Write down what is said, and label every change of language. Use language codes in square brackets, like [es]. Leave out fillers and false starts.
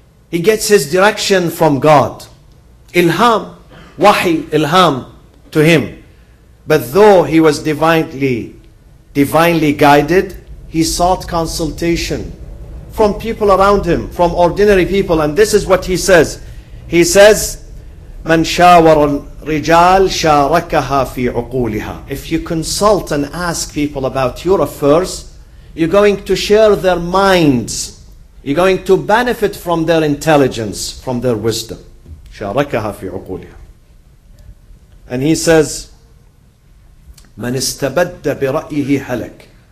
[en] He gets his direction from God. Ilham, wahi, ilham to him. But though he was divinely guided, he sought consultation from people around him, from ordinary people. And this is what he says. He says, [ar] مَنْ شَاوَرَ الْرِجَالِ شَارَكَهَا فِي عُقُولِهَا. [en] If you consult and ask people about your affairs, you're going to share their minds. You're going to benefit from their intelligence, from their wisdom. [ar] شَارَكَهَا فِي عُقُولِهَا. [en] And he says, [ar] مَنْ اسْتَبَدَّ بِرَأْيِهِ هَلَكْ.